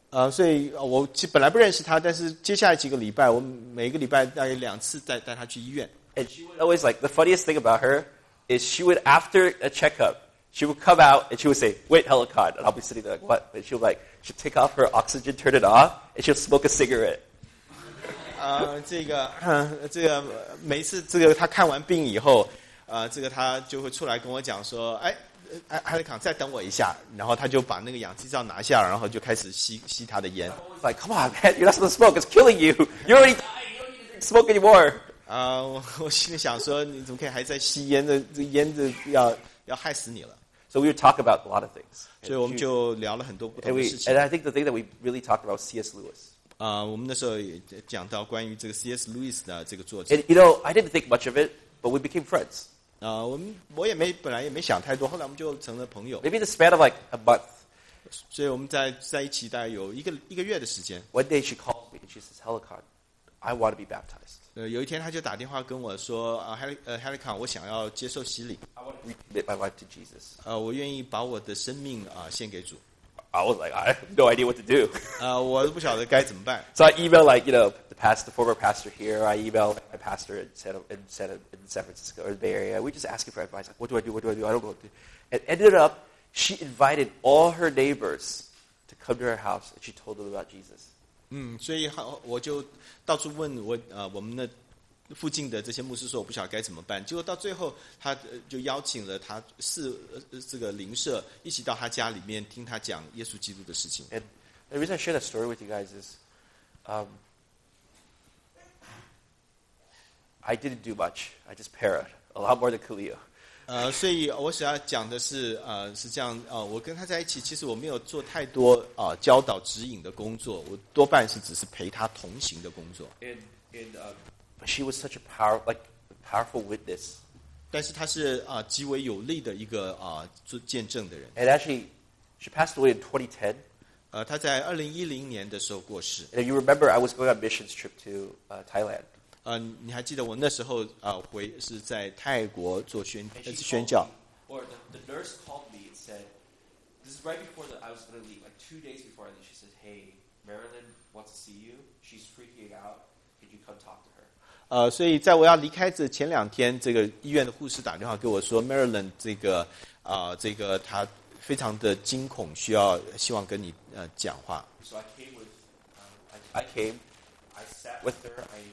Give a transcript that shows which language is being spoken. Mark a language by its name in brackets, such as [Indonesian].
[Chinese] 所以我本来不认识他，但是接下来几个礼拜，我每个礼拜大概两次带他去医院。 [English] And she would always like the funniest thing about her is she would after a checkup. She would come out and she would say, wait, Helicon. And I'll be sitting there like, what? And she would like, she'd take off her oxygen, turn it off, and she'll smoke a cigarette. [Chinese] 这个每次这个他看完病以后，这个他就会出来跟我讲说，哎，Helicon，再等我一下。然后他就把那个氧气罩拿下，然后就开始吸他的烟。 [English] I'm like, come on, man, you're not supposed to smoke, it's killing you. You already died, you don't need to smoke anymore. [Chinese] 我心里想说，你怎么可以还在吸烟的？这烟的要。要害死你了。 [English] So we would talk about a lot of things. [Chinese] 所以我们就聊了很多不同的事情。 [English] And I think the thing that we really talked about was C.S. Lewis. [Chinese] 我们那时候也讲到关于这个 C.S. Lewis 的这个作者。 [English] And you know, I didn't think much of it, but we became friends. [Chinese] 我也没本来也没想太多，后来我们就成了朋友。 [English] Maybe the span of like a month. [Chinese] 所以我们在一起大概有一个月的时间。 [English] One day she calls me and she says, "Helicon, I want to be baptized." [Chinese] 有一天他就打电话跟我说Helicon, 我想要接受洗礼。 [English] I want to recommit my life to Jesus. [Chinese] 我愿意把我的生命献给主。 [English] I was like, I have no idea what to do. [Chinese] 我都不晓得该怎么办。 [English] So I emailed like, you know, the former pastor here. I emailed my pastor in San Francisco or the Bay Area. We just asking for advice. Like, what do I do? What do I do? I don't know what to do. And ended up, she invited all her neighbors to come to her house and she told them about Jesus. [Chinese] 所以我就到处问我们那附近的这些牧师说我不晓得该怎么办，结果到最后他就邀请了他这个邻舍一起到他家里面听他讲耶稣基督的事情。 [English] And the reason I share that story with you guys is, I didn't do much. I just parroted a lot more than Khalil. [Chinese] 所以我想要讲的是是这样我跟他在一起其实我没有做太多教导指引的工作，我多半是只是陪他同行的工作。 [English] But she was such a powerful witness. [Chinese] 但是她是极为有力的一个做见证的人。 [English] And actually, she passed away in 2010. [Chinese] 她在2010年的时候过世。 [English] And you remember I was going on a missions trip to Thailand. [Chinese] 你还记得我那时候是在泰国做宣教。 [English] Or the nurse called me and said, "This is right before that I was going to leave. Like 2 days before, and she says, 'Hey, Marilyn wants to see you. She's freaking out. Could you come talk to her?'" [Chinese] 所以在我要离开的前两天，这个医院的护士打电话给我说 ，Marilyn 这个她非常的惊恐，希望跟你讲话。 So I came with, I came, I sat with her.